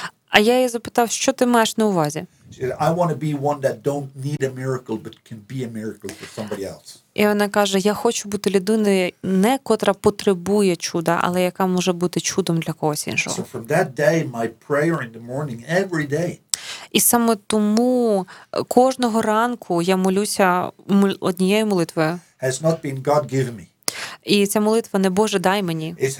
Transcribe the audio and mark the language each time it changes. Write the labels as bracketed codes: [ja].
[uk] А я її запитав, що ти маєш на увазі? [en] I want to be one that don't need a miracle but can be a miracle for somebody else. [uk] І вона каже: "Я хочу бути людиною, не котра потребує чуда, але яка може бути чудом для когось іншого". [en] So from that day my prayer in the morning every day. [uk] І саме тому кожного ранку я молюся однією молитвою. [en] Has not been God give me. [uk] І ця молитва не «Боже, дай мені».